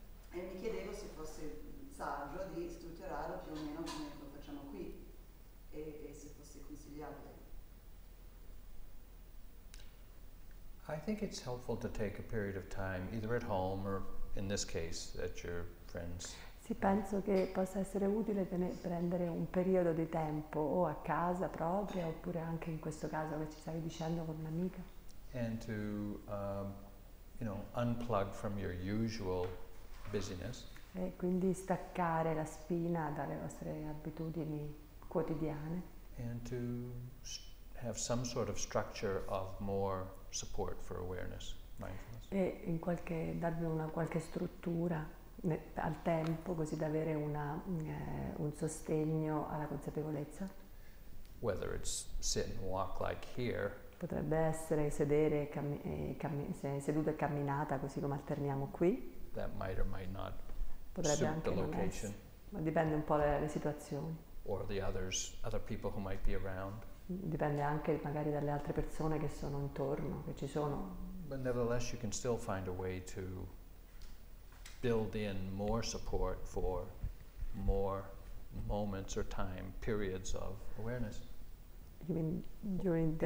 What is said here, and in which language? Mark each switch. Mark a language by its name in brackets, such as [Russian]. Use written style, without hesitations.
[Italian] E mi chiedevo se fosse saggio di strutturarlo più o meno come lo facciamo qui e se fosse consigliabile. [English] I think it's helpful to take a period of time, either at home or in this case at your friend's. [Italian] Sì, penso che possa essere utile prendere un periodo di tempo o a casa propria oppure anche in questo caso che ci stavi dicendo con un'amica. [English] And to you know, unplug from your usual busyness. [Italian] E quindi staccare la spina dalle vostre abitudini quotidiane. [English] And to have some sort of structure of more support for awareness, mindfulness. [Italian] E in qualche darvi una qualche struttura al tempo così da avere una un sostegno alla consapevolezza. [English] Whether it's sit and walk like here. [Italian] Potrebbe essere sedere seduto e camminata così come alterniamo qui. [English] That might or might not. [Italian] Potrebbe [English] suit [Italian] anche [English] the location. [Italian] Ma dipende un po' dalle situazioni. [English] Or the others, other people who might be around. [Italian] Dipende anche magari dalle altre persone che sono intorno, che ci sono. [English] But nevertheless you can still find a way to build in more support for more moments or time, periods of awareness. You mean during the